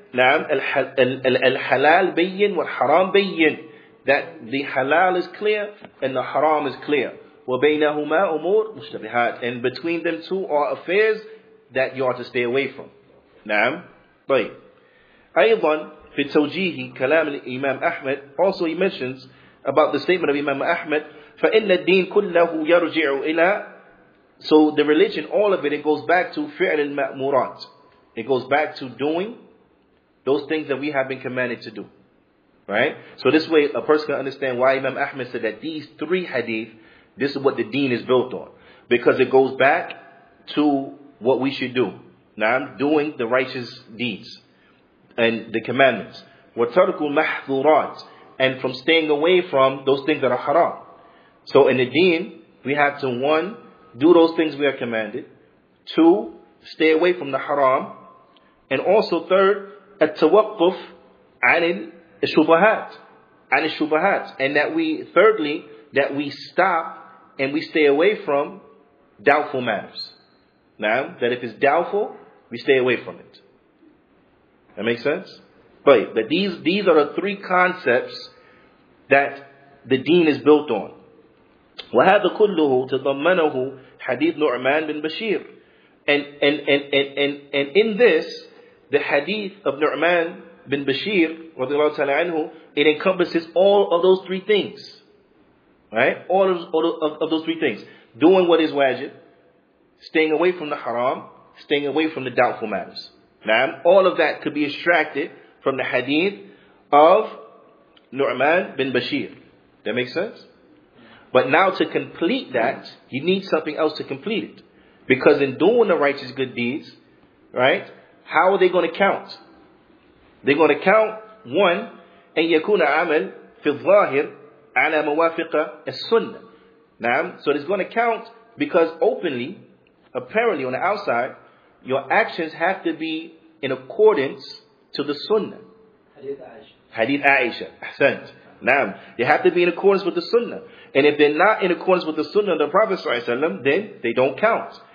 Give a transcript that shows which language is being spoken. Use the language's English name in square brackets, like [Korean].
[Arabic] نعم الحلال بين والحرام بين. [English] That the halal is clear and the haram is clear. [Arabic] وبينهما أمور مشتبهات. [English] And between them two are affairs that you ought to stay away from. [Arabic] نعم. طيب. أيضا في توجيه كلام الإمام أحمد. [English] Also he mentions about the statement of Imam Ahmed. [Arabic] فإن الدين كله يرجع إلى. [English] So the religion, all of it, it goes back to [Arabic] فعل المأمورات. [English] It goes back to doing those things that we have been commanded to do. Right? So this way a person can understand why Imam Ahmed said that these three hadith, this is what the deen is built on. Because it goes back to what we should do. Now I'm doing the righteous deeds and the commandments. [Arabic] وَتَرْكُ الْمَحْذُورَاتِ, [English] and from staying away from those things that are haram. So in the deen, we have to, one, do those things we are commanded. Two, stay away from the haram. And also third, [Arabic] التوقف عن الشبهات. [English] عن الشبهات. And that we, thirdly, that we stop and we stay away from doubtful matters. Now, that if it's doubtful, we stay away from it. That makes sense? But these are the three concepts that the deen is built on. [Arabic] وَهَذَا كُلُّهُ تَضَمَّنَهُ حَدِيثُ نُعْمَان بِن بَشِيرٍ. [English] And in this, the hadith of نُعْمَان بِن بَشِيرٍ [Arabic] رضي الله تعالى عنه, [English] it encompasses all of those three things. Right? All of those three things. Doing what is wajib, staying away from the haram, staying away from the doubtful matters. Now, all of that could be extracted from the hadith of Nu'man bin Bashir. That makes sense? But now to complete that, you need something else to complete it. Because in doing the righteous good deeds, right, how are they going to count? They're going to count, one, [Arabic] أن يكون عمل في الظاهر على موافقة السنة. [English] Now, so it's going to count because openly, apparently on the outside, your actions have to be in accordance to the sunnah. Hadith Aisha. Hadith Aisha. Ahsant. Naam. They have to be in accordance with the sunnah. And if they're not in accordance with the sunnah of the Prophet Sallallahu Alaihi Wasallam, then they don't count.